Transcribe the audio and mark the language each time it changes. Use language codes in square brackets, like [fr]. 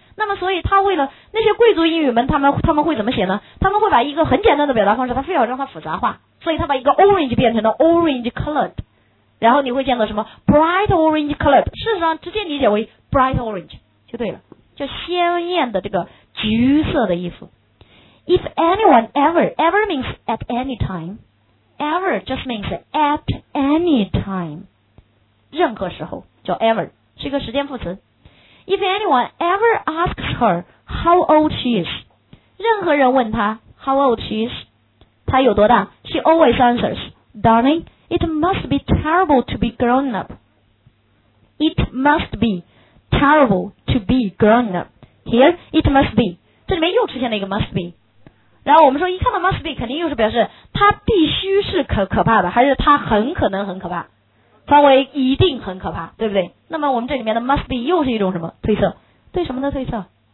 [zh] 那么所以他为了那些贵族英语们，他们会怎么写呢？他们会把一个很简单的表达方式，他非要让它复杂化，所以他把一个 orange 变成了 orange colored， 然后你会见到什么 bright orange colored，事实上直接理解为 bright orange 就对了，就鲜艳的这个橘色的衣服。 [en] If anyone ever， ever means at any time， ever just means at any time，任何时候叫 ever，是一个时间副词。 If anyone ever asks her how old she is，任何人问她 how old she is，她有多大， she always answers， darling， it must be terrible to be grown up， it must beTerrible to be grown up. Here it must be. [zh] 这里面又出现了一个 must be. 然后我们说一看到 must be， 肯定又是表示它必须是可怕的，还是它很可能很可怕，分为一定很可怕，对不对？那么我们这里面的 must be 又是一种什么推测？对什么的推测？